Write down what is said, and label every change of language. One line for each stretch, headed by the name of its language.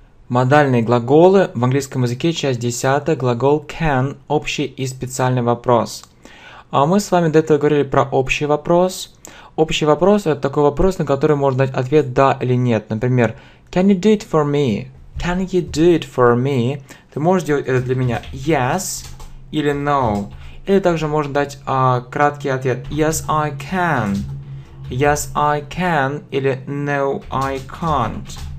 Russian: Модальные глаголы в английском языке, часть 10, глагол can, общий и специальный вопрос. А мы с вами до этого говорили про общий вопрос. Общий вопрос – это такой вопрос, на который можно дать ответ «да» или «нет».
English: Например, can you do it for me? Can you do it for me?
Russian: Ты можешь сделать это для меня «yes» или «no». Или также можно дать краткий ответ
English: «yes, I can». «Yes, I can» или «no, I can't».